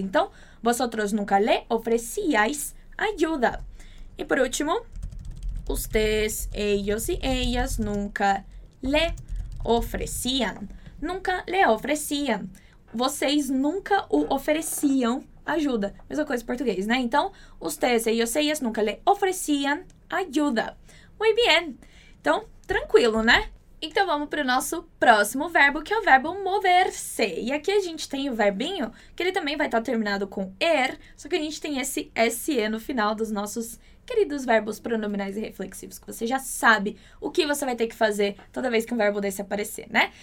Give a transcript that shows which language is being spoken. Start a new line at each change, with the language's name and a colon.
Portuguese: Então,
Spanish: vosotros nunca le ofrecíais ayuda. E por último, ustedes, ellos y ellas nunca le ofrecían. Nunca le ofrecían.
Portuguese: Vocês nunca o ofereciam ajuda. Mesma coisa em português, né? Então,
Spanish: ustedes, ellos y ellas nunca le ofrecían ayuda. Muy bien.
Portuguese: Então, tranquilo, né? Então, vamos para o nosso próximo verbo, que é o verbo mover-se. E aqui a gente tem o verbinho, que ele também vai estar terminado com er, só que a gente tem esse SE no final dos nossos queridos verbos pronominais e reflexivos, que você já sabe o que você vai ter que fazer toda vez que um verbo desse aparecer, né?